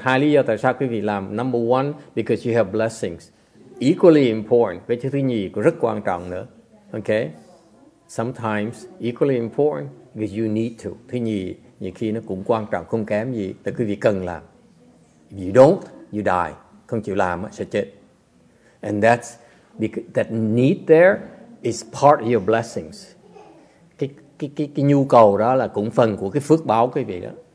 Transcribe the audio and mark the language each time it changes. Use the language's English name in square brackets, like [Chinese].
[Vietnamese] Hai lý do tại sao quý vị làm. [English] Number one, because you have blessings. Equally important. [Vietnamese] Vậy thứ nhì rất quan trọng nữa. Okay? [English] Sometimes, equally important, because you need to. [Vietnamese] Thứ nhì, nhiều khi nó cũng quan trọng, không kém gì. Tại quý vị cần làm. [English] If you don't, you die. [Vietnamese] Không chịu làm, sẽ chết. [English] And that's because that need there is part of your blessings. [Vietnamese] Cái nhu cầu đó là cũng phần của cái phước báo quý vị đó.